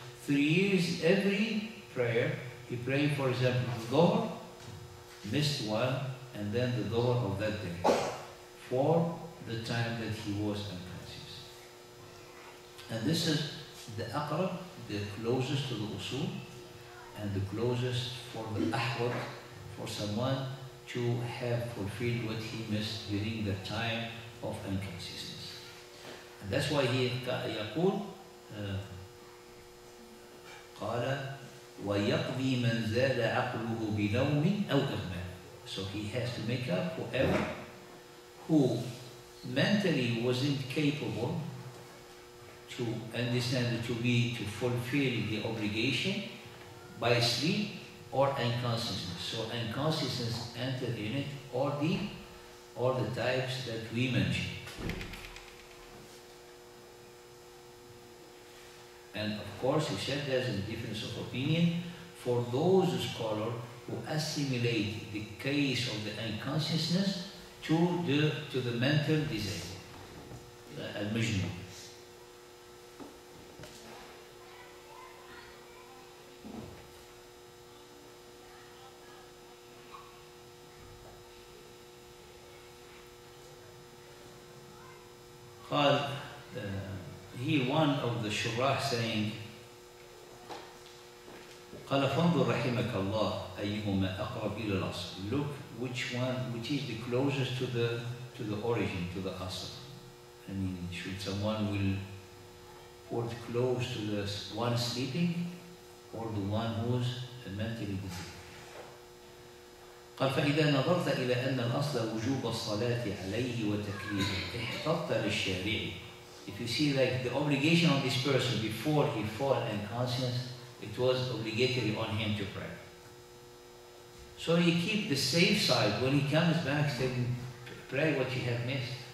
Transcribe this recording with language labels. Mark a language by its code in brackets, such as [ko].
[en] 3 years, every prayer, he prayed, for example, the Dhuhr, missed one, and then the Dhuhr of that day, for the time that he was unconscious. And this is the Aqrab, the closest to the Usul, and the closest for the Ahwat, for someone to have fulfilled what he missed during the time of inconsistency. And that's why he [ar] يقول قال ويقضي من زال عقله بنوم أو إغماء. [en] So he has to make up whoever who mentally wasn't capable to understand, to fulfill the obligation by sleep or inconsistency. So inconsistency entered in it, or the all the types that we mentioned. And of course, he said there's a difference of opinion for those scholars who assimilate the case of the unconsciousness to the mental disease, the al-majnun. [ar] قال هي [en] one of the [ar] شراح [en] saying [ar] قال فانظر رحمك الله أيهما أقرب إلى الأصل. [en] Look which one, which is the closest to the origin, to the أصل. I mean, should someone will put close to the one sleeping or the one who's mentally disabled. [ar] قال فإذا نظرت إلى أن الأصل وجوب الصلاة عليه وتكليفه احتطت للشارع. [en] If you see like the obligation of this person before he fall unconscious, it was obligatory on him to pray. So he keep the safe side when he comes back, say, pray what you have missed.